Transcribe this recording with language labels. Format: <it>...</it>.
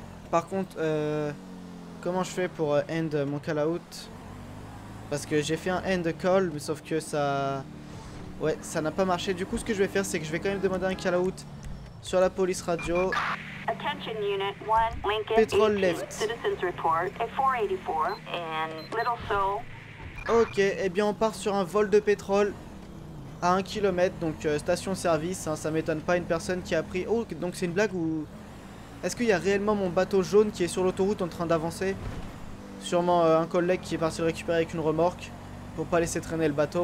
<fr>Par contre, comment je fais pour end mon call-out? Parce que j'ai fait un end call, mais sauf que ça... Ouais, ça n'a pas marché. Du coup, ce que je vais faire, c'est que je vais quand même demander un call-out sur la police radio.</fr> <en>Attention, unit 1, Lincoln, Petrol 18, left. Citizens report at 484 and Little Soul.</en> <fr>Ok, eh bien, on part sur un vol de pétrole à 1 km, donc station-service. Hein, ça m'étonne pas, une personne qui a pris... Oh, donc c'est une blague ou... Est-ce qu'il y a réellement mon bateau jaune qui est sur l'autoroute en train d'avancer? Sûrement un collègue qui est parti le récupérer avec une remorque pour pas laisser traîner le bateau.</fr>